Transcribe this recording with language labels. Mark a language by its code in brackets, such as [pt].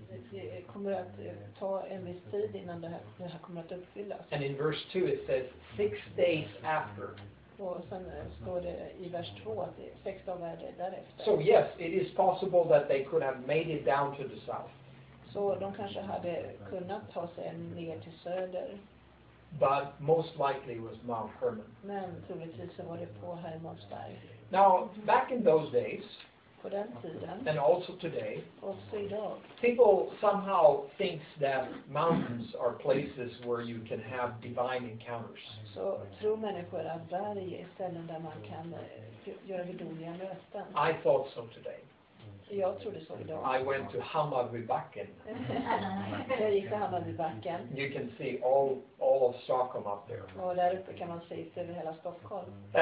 [sv] Det kommer att ta en viss tid innan det här kommer att uppfyllas. [en] And in verse 2 it says 6 days after. [sv] Och sen står det i vers 2 att 6 dagar därefter. [en] So yes, it is possible that they could have made it down to the south. [sv] Så de kanske hade kunnat ta sig ner till söder. [en] But most likely was Mount Hermon. [sv] Men troligtvis så var det på Hermonsberg. [en] Now, back in those days, [sv] på den tiden, [en] and also today, [sv] också idag, [en] people somehow think that mountains are places where you can have divine encounters. [sv] Så tror människor att berg är ställen där man kan göra gudomliga möten. [en] I thought so today. [sv] Jag trodde så idag. [en] I went to Hammarbybacken. [sv] Jag gick till Hammarbybacken. [en] You can see all of Stockholm up there. [sv] Och där uppe kan man se till hela Stockholm.